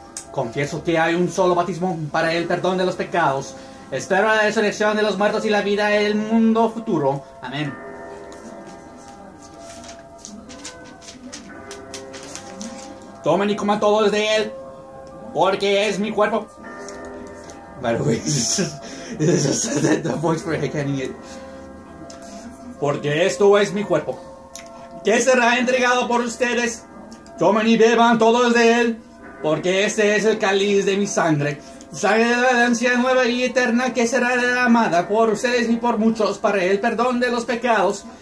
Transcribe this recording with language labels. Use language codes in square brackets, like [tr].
[es] Confieso que hay un solo bautismo para el perdón de los pecados. Espero la resurrección de los muertos y la vida del mundo futuro. Amén. Tomen y coman todos de él, porque es mi cuerpo. [en] By the way, this is the voice for it. [es] Porque esto es mi cuerpo, que será entregado por ustedes. Tomen y beban todos de él, porque este es el cáliz de mi sangre. Sangre de la alianza nueva y eterna, que será derramada por ustedes y por muchos para el perdón de los pecados.